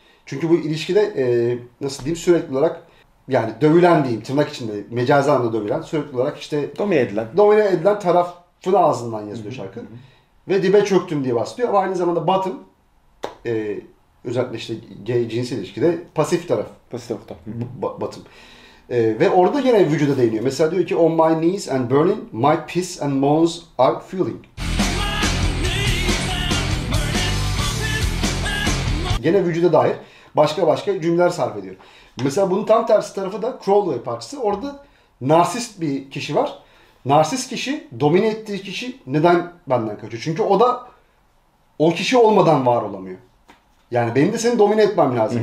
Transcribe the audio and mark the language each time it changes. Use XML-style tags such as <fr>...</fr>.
<tr>Çünkü bu ilişkide nasıl diyeyim sürekli olarak yani dövülen diyeyim tırnak içinde mecazi anlamda dövülen sürekli olarak işte domine edilen tarafın ağzından yazılıyor şarkı. Ve dibe çöktüm diye bahsediyor. Ama aynı zamanda Batım özellikle işte gay cinsel ilişkide pasif taraf. Pasif taraf. Batım. Ve orada yine vücuda değiniyor. Mesela diyor ki</tr> <en>on my knees and burning, my piss and moans are feeling.</en> <tr>Yine vücuda dair başka başka cümleler sarf ediyor. Mesela bunun tam tersi tarafı da Crowley parçası. Orada narsist bir kişi var. Narsist kişi, domine ettiği kişi neden benden kaçıyor? Çünkü o da o kişi olmadan var olamıyor. Yani benim de seni domine etmem lazım.</tr>